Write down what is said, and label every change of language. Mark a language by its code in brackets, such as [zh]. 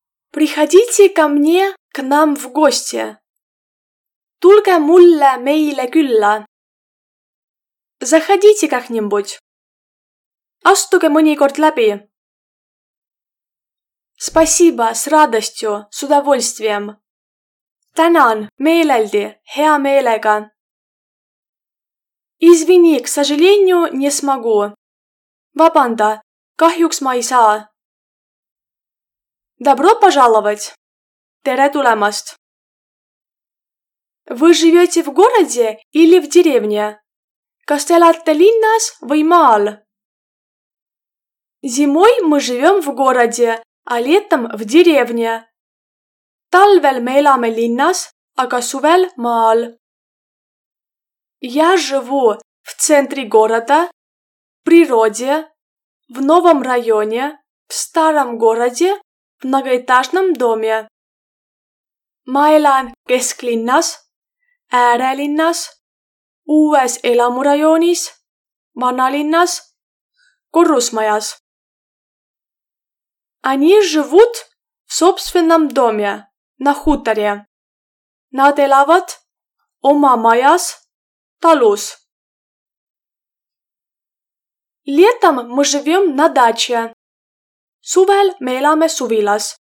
[ru] Приходите ко мне к нам в гости. [et] Tulge mulle meile külla. [ru] Заходите как-нибудь. [et] Astuge mõnikord läbi. [ru] Спасибо, с радостью, с удовольствием. [et] Tänan, meeleldi, hea meelega. [ru] Извини, к сожалению, не смогу. [et] Vabanda, kahjuks ma ei saa. [ru] Добро пожаловать. [et] Tere tulemast. [ru] Вы живете в городе или в деревне? [et] Kas te elate linnas või maal? [ru] Зимой мы живем в городе, а летом в деревне. [et] Talvel me elame linnas, aga suvel maal. [ru] Я живу в центре города, в природе, в новом районе, в старом городе, в многоэтажном доме. [et] Ma elan kesklinnas, äärelinnas, uues elamurajoonis, vanalinnas, korrusmajas. [ru] Они живут в собственном доме, на хуторе. [et] Nad elavad oma majas, talus. [ru] Летом мы живем на даче. [et] Suvel me elame suvilas.